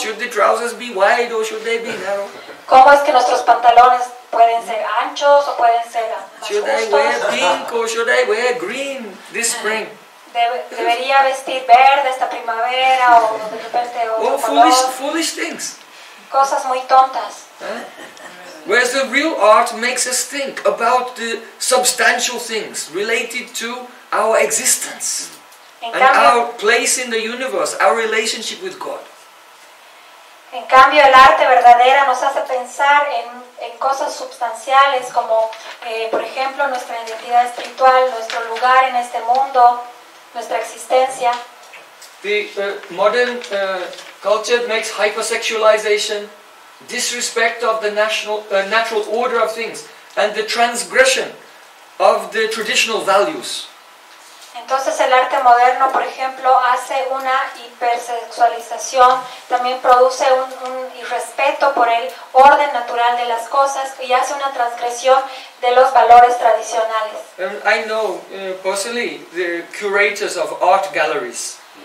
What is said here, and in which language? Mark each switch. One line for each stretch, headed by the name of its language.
English: Should the trousers be wide or should they be narrow?
Spanish: ¿Cómo es que nuestros pantalones pueden ser anchos o pueden ser más
English: should
Spanish: justos?
English: Should I wear pink or should I wear green this spring?
Spanish: ¿Debería vestir verde esta primavera o de repente otro color?
English: Foolish things.
Spanish: Cosas muy tontas.
English: Whereas the real art makes us think about the substantial things related to our existence and our place in the universe, our relationship with God.
Spanish: En cambio, el arte verdadera nos hace pensar en cosas sustanciales como, por ejemplo, nuestra identidad espiritual, nuestro lugar en este mundo, nuestra existencia.
English: The modern culture makes hypersexualization, disrespect of the natural order of things, and the transgression of the traditional values.
Spanish: Entonces el arte moderno, por ejemplo, hace una hipersexualización, también produce un irrespeto por el orden natural de las cosas y hace una transgresión de los valores tradicionales.
English: I know personally the curators of art galleries.